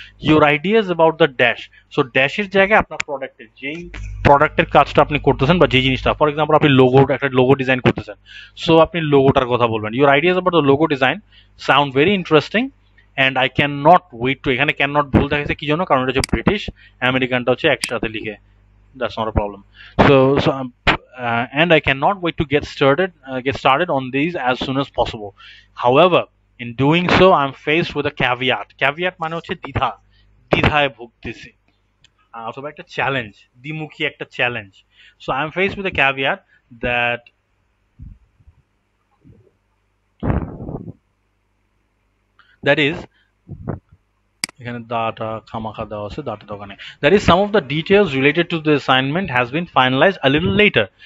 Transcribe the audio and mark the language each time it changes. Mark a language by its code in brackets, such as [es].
[en] your ideas about the dash, [bn] so ড্যাশের জায়গায় আপনার প্রোডাক্টের, যেই প্রোডাক্টের কাজটা আপনি করতেছেন বা যে জিনিসটা, ফর এক্সাম্পল আপনি লোগো, একটা লোগো ডিজাইন করতেছেন, সো আপনি লোগোটার কথা বলবেন। [en] your ideas about the logo design sound very interesting and I can not wait to, [bn] এখানে ক্যান নট ভুল দেখাচ্ছে কি জন্য, কারণ এটা হচ্ছে ব্রিটিশ, আমেরিকানটা হচ্ছে একসাথে লিখে, [en] That's not a problem. So and I cannot wait to get started on these as soon as possible. However, in doing so, I'm faced with a caveat. [bn] Caveat মানে হচ্ছে দ্বিধা, দ্বিধায় ভুগতেছি, অথবা একটা চ্যালেঞ্জ, দ্বিমুখী একটা challenge. [en] so I am faced with a caveat that that is [bn] এখানে দাটা খামাখা দেওয়া আছে দাটা দোকানে, [en] That is some of the details related to the assignment has been finalised a little later.